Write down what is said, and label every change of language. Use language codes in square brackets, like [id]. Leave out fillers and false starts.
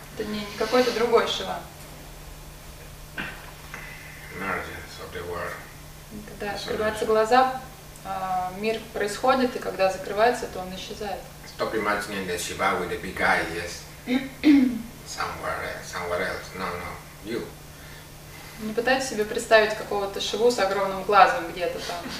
[ru] Это не какой-то другой Шива. [en] Emergence of the world. [ru] Когда открываются глаза, мир происходит, и когда закрывается, то он исчезает. [en] Stop imagining the Shiva with the big eye, yes. Somewhere else. No. You. [ru] Не пытайтесь себе представить какого-то Шиву с огромным глазом где-то там.